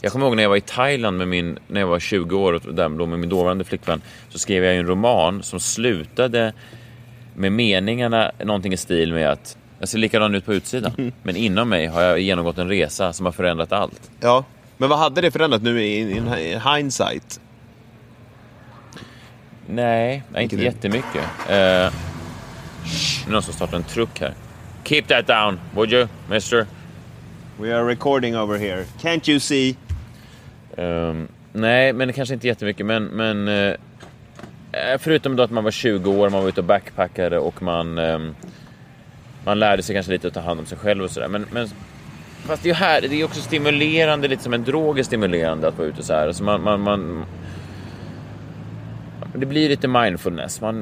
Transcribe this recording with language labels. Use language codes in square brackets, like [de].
[sv] Jag kommer ihåg när jag var i Thailand när jag var 20 år och där med min dåvarande flickvän så skrev jag en roman som slutade med meningarna, någonting i stil med att jag ser likadan ut på utsidan. Men inom mig har jag genomgått en resa som har förändrat allt. Ja, men vad hade det förändrat nu i hindsight? Nej, inte jättemycket. Någon som startar en truck här. [en] Keep that down, would you, mister? We are recording over here. Can't you see? [sv] Nej, men kanske inte jättemycket. Men förutom då att man var 20 år, man var ute och backpackade och man... Man lärde sig kanske lite att ta hand om sig själv och sådär. Men fast det är ju här, det är också stimulerande, lite som en drog är stimulerande att vara ute så här. Alltså man det blir lite mindfulness.